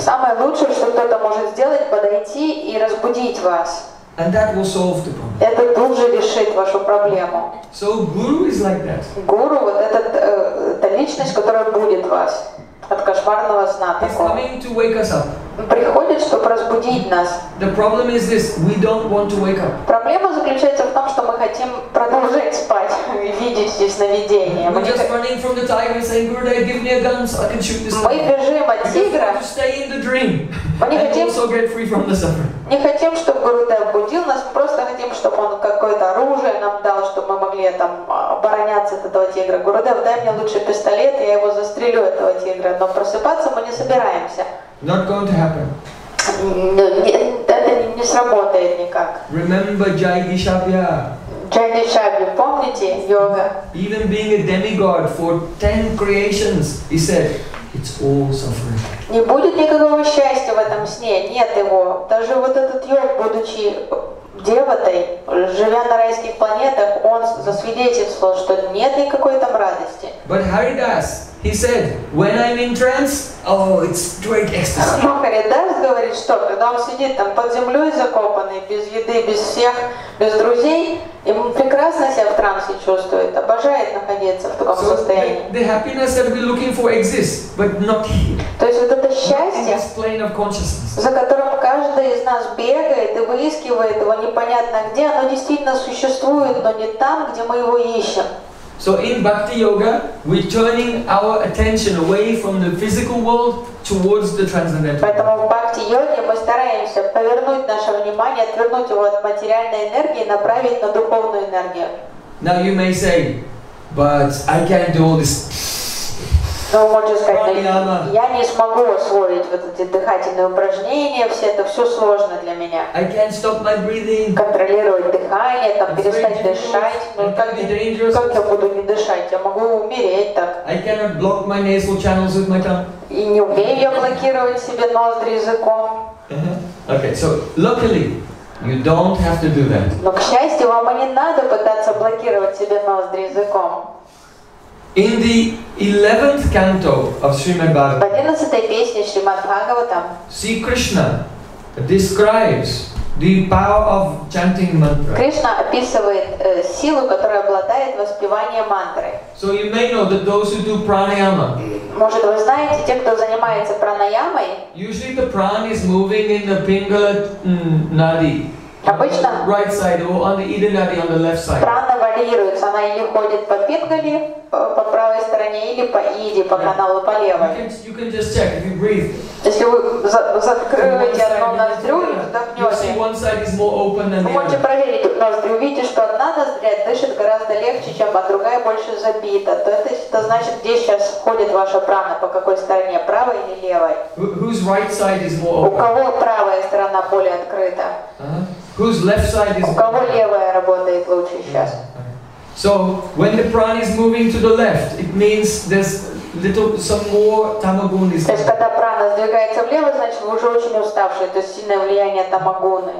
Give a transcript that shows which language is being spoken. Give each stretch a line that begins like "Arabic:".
Russian: Самое лучшее, что кто-то может сделать, подойти и разбудить вас.
English: And that will solve the problem.
Russian: Это тут же решит вашу проблему.
English: So guru is like that.
Russian: Гуру вот этот та личность, которая будет вас от кошмарного сна такого.
English: He's coming to wake us up.
Russian: Приходит, чтобы разбудить нас.
English: The problem is this: we don't want to wake up.
Russian: Проблема заключается в том, что мы хотим продолжать спать и видеть здесь сновидения.
English: We're just running from the tiger, saying, "Gurudev, give me a gun so I can shoot this."
Russian: Мы бежим от тигра.
English: We want to stay in the dream. And also get free from the suffering.
Russian: Не хотим, чтобы Гурудев будил нас. Просто хотим, чтобы он какое-то оружие нам дал, чтобы мы могли там обороняться от этого тигра. Гурудев, дай мне лучше пистолет, я его застрелю этого тигра. Но просыпаться мы не собираемся.
English: Not going to happen.
Russian: Это не сработает никак.
English: Remember Jai Dishabhya.
Russian: Jai Dishabhya, помните йога? Even being a demigod for 10 creations, he said, it's all suffering. Не будет никакого счастья в этом сне, нет его. Даже вот этот йог, будучи Деватой, живя на райских планетах, он засвидетельствовал, что нет никакой там радости.
English: But Haridas, he said, when I'm in trance, oh, it's great ecstasy.
Russian: Но Харидас говорит, что когда он сидит там под землей закопанный, без еды, без всех, без друзей, ему прекрасно себя в трансе чувствует, обожает находиться в таком состоянии.
English: The happiness that we're looking for exists, but not here.
Russian: То есть вот это счастье,
English: in this plane of consciousness.
Russian: За которым каждый из нас бегает и выискивает его непонятно где, оно действительно существует, но не там, где мы его ищем.
English: So in Bhakti Yoga, we're turning our attention away from the physical world towards the transcendental.
Russian: Поэтому в Бхакти Йоге мы стараемся повернуть наше внимание, отвернуть его от материальной энергии, направить на духовную энергию.
English: Now you may say, but I can't do all this.
Russian: Но вы можете сказать, я не смогу освоить вот эти дыхательные упражнения, все это все сложно для меня.
English: I can't stop my breathing.
Russian: Контролировать дыхание, там, перестать дышать. Как я буду не дышать? Я могу умереть так.
English: I cannot block my nasal channels with my tongue.
Russian: И не умею я блокировать себе ноздри языком.
English: Okay, so luckily, you don't have to do that.
Russian: Но, к счастью, вам не надо пытаться блокировать себе ноздри языком.
English: In the 11th canto of Srimad Bhagavatam, Sri Krishna describes the power of chanting mantra.
Russian: Krishna описывает силу, которая обладает воспеванием мантры.
English: So you may know that those who do pranayama.
Russian: Может вы знаете, те, кто занимается пранаямой.
English: Usually the prana is moving in the pingala nadi.
Russian: Обычно.
English: Right side or on the ida nadi on the left side.
Russian: Прана варьируется, она или ходит по пингале. По правой стороне или по иди, по каналу по левой. Если вы закроете одну ноздрю и вдохнете, вы можете проверить ноздрю, увидите, что одна ноздря дышит гораздо легче, чем а другая больше забита. То это значит, где сейчас входит ваша прана, по какой стороне, правой или левой?
English: Whose right side is more open?
Russian: У кого правая сторона более открыта?
English: Whose left side is
Russian: У кого левая работает лучше сейчас?
English: So when the prana is moving to the left, it means there's little some more tamaguna is.
Russian: То есть когда прана сдвигается влево, значит вы уже очень уставшие, то есть сильное влияние тамагуны.